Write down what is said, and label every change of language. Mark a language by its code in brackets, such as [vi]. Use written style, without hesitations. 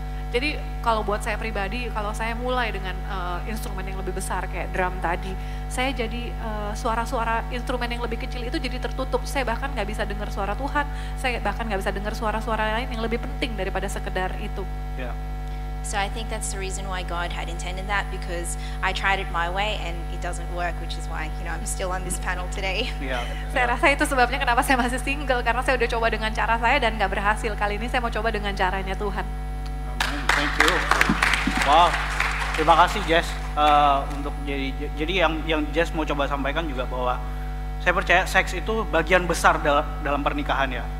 [id] Jadi kalau buat saya pribadi, kalau saya mulai dengan instrumen yang lebih besar kayak drum tadi, saya jadi suara-suara instrumen yang lebih kecil itu jadi tertutup. Saya bahkan gak bisa dengar suara Tuhan, saya bahkan gak bisa dengar suara-suara lain yang lebih penting daripada sekedar itu. [en] Yeah. So I think that's the reason why God had intended that, because I tried it my way and it doesn't work, which is why, you know, I'm still on this panel today. Yeah. [id] Saya rasa itu sebabnya kenapa saya masih single, karena saya udah coba dengan cara saya dan gak berhasil. Kali ini saya mau coba dengan caranya Tuhan. [en] Thank you. Wow. [id] Terima kasih Jess untuk jadi yang Jess mau coba sampaikan juga bahwa saya percaya seks itu bagian besar dalam pernikahan ya.